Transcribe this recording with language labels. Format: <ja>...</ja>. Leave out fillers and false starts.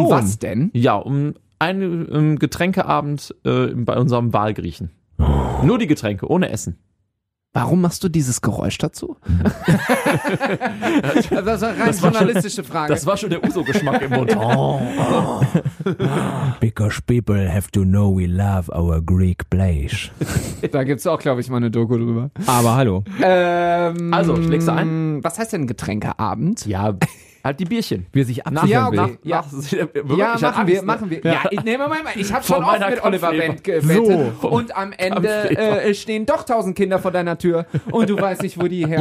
<de>Um was denn? Ja, um ein Getränkeabend bei unserem Wahlgriechen. Oh. Nur die Getränke, ohne Essen. Warum machst du dieses Geräusch dazu? Das war rein journalistische Frage. Das war schon der Uso-Geschmack im Mund.</de> <en>Because people have to know we love our Greek place.</en> <de>Da gibt es auch, glaube ich, mal eine Doku drüber. Aber hallo. Also, ich leg's ein. Was heißt denn Getränkeabend? Ja, halt die Bierchen. Wie er sich absichern ja, will. Machen wir. Ja, ich habe schon oft mit Oliver Wendt gewettet. So. Und am Ende stehen doch 1000 Kinder vor deiner Tür und du weißt nicht, wo die herkommen.</de>